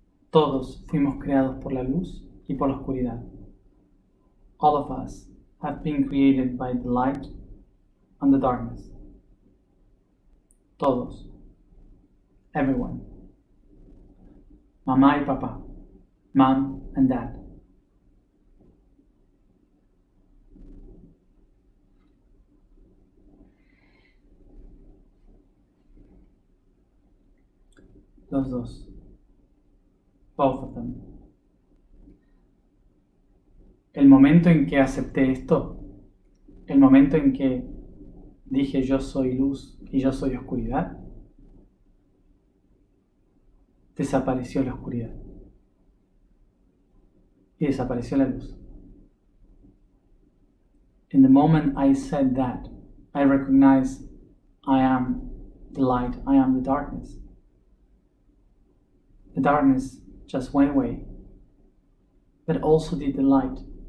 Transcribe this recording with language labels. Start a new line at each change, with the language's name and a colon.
Spanish: Todos fuimos creados por la luz y por la oscuridad.
English: All of us have been created by the light and the darkness.
Spanish: Todos.
English: Everyone.
Spanish: Mamá y papá.
English: Mom and dad.
Spanish: Los dos,
English: both of them.
Spanish: El momento en que acepté esto, el momento en que dije yo soy luz y yo soy oscuridad, desapareció la oscuridad y desapareció la luz.
English: In the moment I said that, I recognize I am the light, I am the darkness. The darkness just went away, but also did the light.